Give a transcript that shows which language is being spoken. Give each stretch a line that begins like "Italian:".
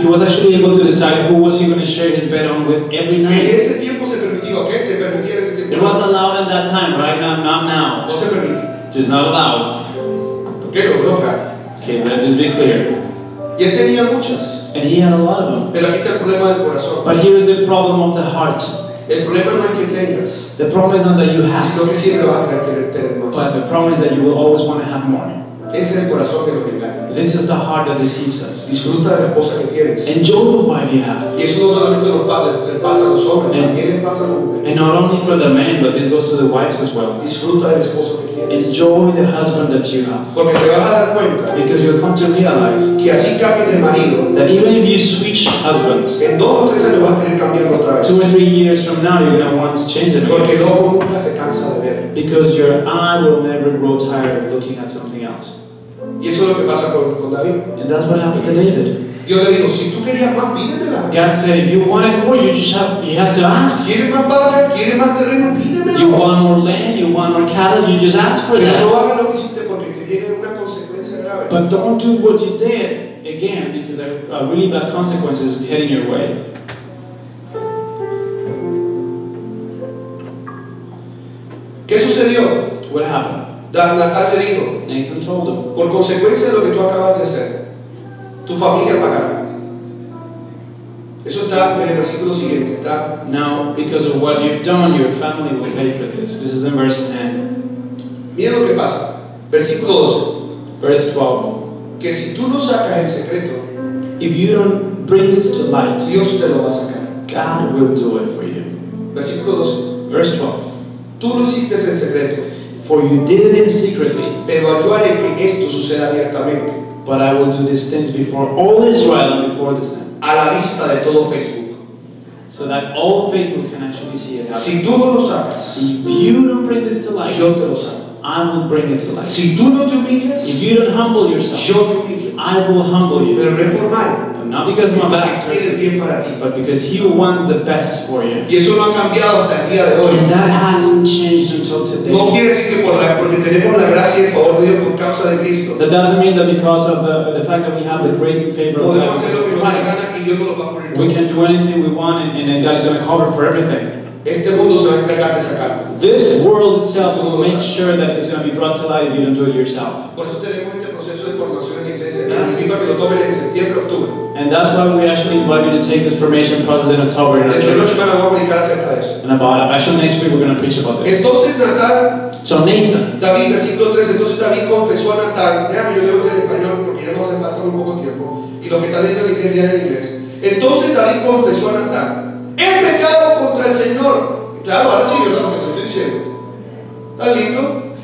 English: He was actually able to decide who was he going to share his bed on with every night.
Spanish: En ese tiempo se permitió, okay? Se permitía ese tiempo.
English: It was allowed at that time, right? Not now.
Spanish: No se permite.
English: It is not allowed. Okay, we'll look at. Okay, let this be clear.
Spanish: Y él tenía muchas.
English: And he had a lot of them.
Spanish: Pero aquí está el problema del corazón.
English: But here is the problem of the heart.
Spanish: El problema no es que tengas.
English: The problem is not that you have.
Spanish: Sino que siempre vas a querer tener más.
English: But the problem is that you will always want to have more.
Spanish: Ese es el corazón que nos engaña.
English: This is the heart that deceives us.
Spanish: Disfruta de la esposa que tienes.
English: Enjoy the wife you have.
Spanish: Y eso no solamente los padres, le pasa a los hombres, también le pasa a los mujeres.
English: And not only for the men, but this goes to the wives as well.
Spanish: Disfruta del esposo que tienes.
English: Enjoy the husband that you have.
Spanish: Porque te vas a dar cuenta.
English: Because you'll come to realize.
Spanish: Que así cambie de marido.
English: That even if you switch husbands.
Spanish: En 2 o 3 años vas a querer cambiarlo otra vez.
English: 2 or 3 years from now, you're going to want to change it.
Spanish: Porque el ojo nunca se cansa de ver.
English: Because your eye will never grow tired of looking at something else.
Spanish: Y eso es lo que pasa con David.
English: And that's what happened to David.
Spanish: Dios le dijo, si tú querías más, pídemela.
English: God said, if you wanted more, you had to ask.
Spanish: ¿Quieres más padre? ¿Quieres más terreno? Pídemela.
English: You want more land, you want more cattle, you just ask for
Spanish: pero
English: that.
Spanish: Pero no hagas lo que hiciste porque te viene una consecuencia grave.
English: But don't do what you did again because a really bad consequence is heading your way.
Spanish: ¿Qué sucedió?
English: What happened?
Spanish: Natán le dijo,
English: Nathan told him,
Spanish: por consecuencia de lo que tú acabas de hacer, tu familia pagará. Eso está en el versículo siguiente, está.
English: Now, because of what you've done, your family will pay for this. This is in verse 10.
Spanish: Mira lo que pasa. Versículo 12.
English: Verse 12.
Spanish: Que si tú no sacas el secreto,
English: if you don't bring this to light,
Spanish: Dios te lo va a sacar.
English: God will do it for you.
Spanish: Versículo 12.
English: Verse 12.
Spanish: Tú lo hiciste en secreto.
English: For you did it in secretly.
Spanish: Pero yo haré que esto suceda abiertamente.
English: But I will do these things before all Israel and before the sun.
Spanish: A la vista de todo Facebook.
English: So that all Facebook can actually see it.
Spanish: Si tú no lo sacas,
English: if you don't bring this to light,
Spanish: yo te lo saco.
English: I will bring it to light.
Spanish: Si tú no te humillas,
English: if you don't humble yourself,
Spanish: yo te humillo.
English: I will humble you.
Spanish: Pero no por mal.
English: Not because of my bad person, but because He wants the best for you.
Spanish: Y eso no ha cambiado hasta el día de hoy.
English: And that hasn't changed until today.
Spanish: No quiere decir que porque tenemos la gracia y el favor de Dios por causa de Cristo.
English: That doesn't mean that because of the fact that we have the grace and favor of God.
Spanish: Podemos hacer lo que nos dé la gana y Dios nos lo va a poner.
English: We can do anything we want, and God is going to cover for everything.
Spanish: Este mundo se va a encargar de sacarte.
English: This world itself will make sure that it's going to be brought to light if you don't do it yourself.
Spanish: Por eso tenemos este proceso de formación en iglesia. Necesito que lo tomen en septiembre, octubre.
English: And that's why we actually invite you to take this formation process in October in our church. And about a special next week, we're going to preach about this.
Spanish: Entonces, Natal,
English: so Nathan,
Spanish: David, versículo 3, entonces David confesó a Natal, déjame yo leo en español porque ya nos hace falta un poco tiempo, y lo que está leyendo en inglés, ya en inglés. Entonces David confesó a Natal, he pecado contra el Señor. Claro, ahora sí, ¿verdad? Lo que te estoy diciendo. ¿Está lindo?